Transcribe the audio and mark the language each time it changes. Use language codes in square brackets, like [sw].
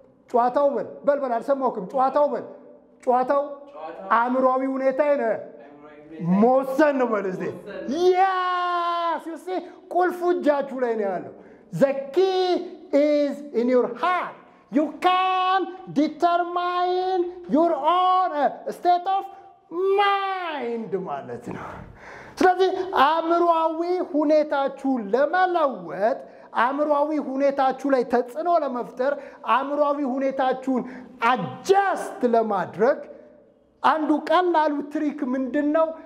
[am] ጨዋታው በል በልበል አልሰማውክም ጨዋታው አምሯዊ ሁኔታዬ ነው ሞሰን ነው ማለት እዚህ [en] ያስ ዩ ሲ [am] ቁልፉ እጃችሁ ላይ ነው ያለው [en] ዘ ኪ ኢዝ ኢን ዩር ሃርት You can determine your own state of mind. [am] ማለት ነው። ስለዚህ አምሯዊ ሁኔታችሁ ለመለወጥ አምሯዊ ሁኔታችሁ ላይ ተጽኖ ለመፍጠር አምሯዊ ሁኔታችሁን አጃስት ለማድረግ አንዱ ቀላል ትሪክ ምንድነው?